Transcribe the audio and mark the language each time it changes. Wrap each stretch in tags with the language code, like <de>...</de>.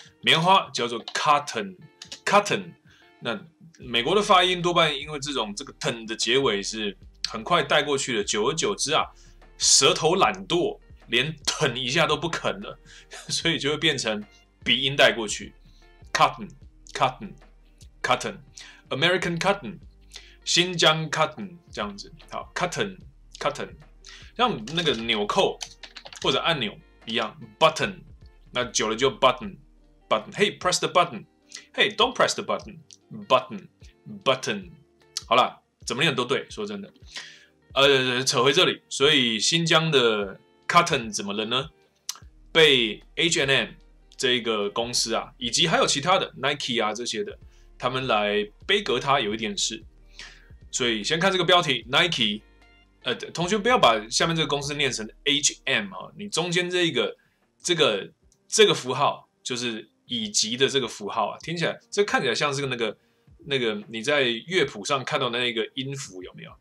<zh>棉花叫做 cotton， 那美国的发音多半因为这种这个 ton 的结尾是很快带过去的，久而久之啊，舌头懒惰，连啃一下都不啃了，所以就会变成鼻音带过去 ，cotton，American cotton， 新疆 cotton 这样子。好 ，cotton， 像那个纽扣或者按钮一样 ，button， 那久了就 button，</zh> <en>hey press the button，</en> <zh>hey don't press the button，button， 好了。怎么念都对，说真的，扯回这里，所以新疆的 cotton 怎么了呢？被 H&M 这个公司啊，以及还有其他的 Nike 啊这些的，他们来背革它有一点事，所以先看这个标题 Nike， 同学不要把下面这个公司念成 H&M 啊，你中间这个符号就是以及的这个符号啊，听起来这看起来像是那个你在乐谱上看到的那个音符有没有？</zh>